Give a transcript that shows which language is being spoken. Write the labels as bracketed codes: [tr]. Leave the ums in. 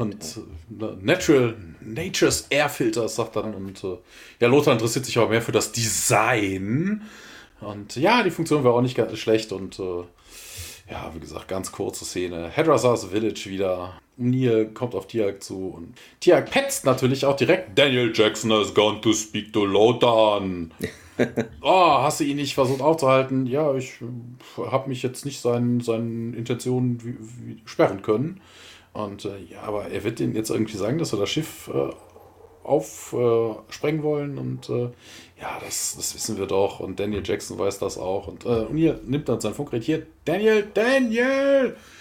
[de] Und äh, [en] Natural, Nature's Air Filter [de] sagt dann. Und ja, Lothar interessiert sich aber mehr für das Design. Und ja, die Funktion wäre auch nicht ganz schlecht. Und ja, wie gesagt, ganz kurze Szene. Hedrasas Village wieder. Neil kommt auf Tiag zu und Tiag petzt natürlich auch direkt. [en] Daniel Jackson has gone to speak to Lotan. [de] oh, hast du ihn nicht versucht aufzuhalten? Ja, ich habe mich jetzt nicht seinen, seinen Intentionen wie, wie sperren können. Und äh, ja, aber er wird denen jetzt irgendwie sagen, dass wir das Schiff äh, aufsprengen äh, wollen und äh, ja, das, das wissen wir doch und Daniel Jackson weiß das auch und äh, O'Neill nimmt dann sein Funkgerät hier, Daniel, Daniel!